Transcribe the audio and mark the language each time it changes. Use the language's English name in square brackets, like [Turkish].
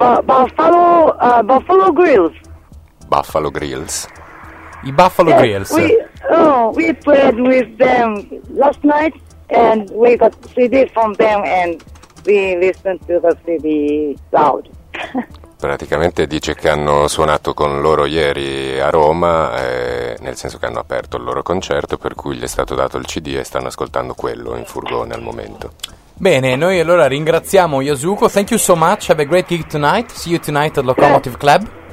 [English] Buffalo Grills. Buffalo Grills. [Italian] I Buffalo Grills. [English] We played with them last night and we got CD from them and we listened to the CD loud. [Italian] Praticamente dice che hanno suonato con loro ieri a Roma, nel senso che hanno aperto il loro concerto, per cui gli è stato dato il CD e stanno ascoltando quello in furgone al momento. Bene, noi allora ringraziamo Yesuko. [English] Thank you so much, have a great gig tonight, see you tonight at Locomotive Club.